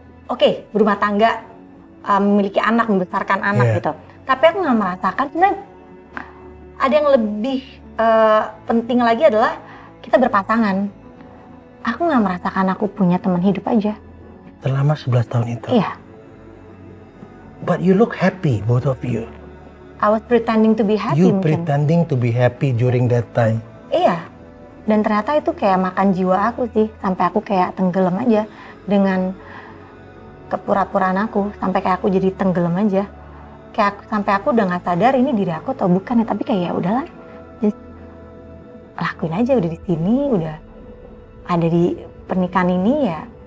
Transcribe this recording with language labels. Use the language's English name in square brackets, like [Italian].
[Indonesian] Oke, berumah tangga, memiliki anak, membesarkan anak gitu. Tapi aku nggak merasakan, sebenarnya ada yang lebih penting lagi adalah kita berpasangan. Aku nggak merasakan aku punya teman hidup aja. Selama 11 tahun itu? Iya. [English] But you look happy, both of you. I was pretending to be happy. You [Indonesian] mungkin. [English] Pretending to be happy during that time. [Indonesian] Iya. Dan ternyata itu kayak makan jiwa aku sih. Sampai aku kayak tenggelam aja dengan kepura-puraan aku. Sampai kayak aku jadi tenggelam aja. Kayak sampai aku udah gak sadar ini diri aku atau bukan ya. Tapi kayak ya udahlah. Just lakuin aja udah di sini, udah ada di pernikahan ini ya.